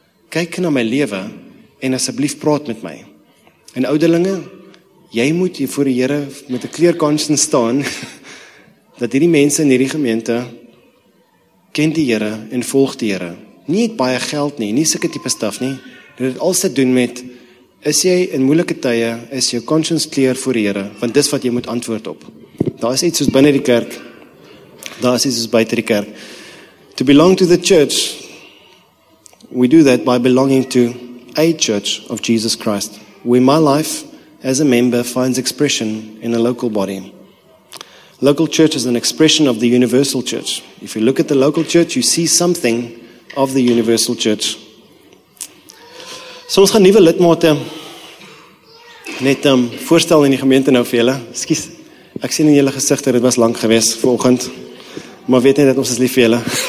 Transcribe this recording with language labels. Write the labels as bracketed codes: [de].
[af] Kyk na my lewe en asseblief praat met my. En ouderlinge, jy moet hier voor die Here met 'n [en] clear conscience [af] staan, dat hierdie mense in hierdie gemeente ken die Here en volg die Here. Nie het baie geld nie, nie sulke tipe staf nie. Dit het alles te doen met, is jy in moeilike tye, is jou conscience clear voor die Here, want dis wat jy moet antwoord op. Daar is iets soos binnen die kerk, daar is iets soos buiten die kerk. [en] To belong to the church, we do that by belonging to a church of Jesus Christ, where my life as a member finds expression in a local body. Local church is an expression of the universal church. If you look at the local church, you see something of the universal church. [af] So ons gaan nuwe lidmate net voorstel in die gemeente nou vir julle. Skus, ek sien in julle gesigte, dit was lank geweest vanoggend, maar weet net dat ons is lief vir julle.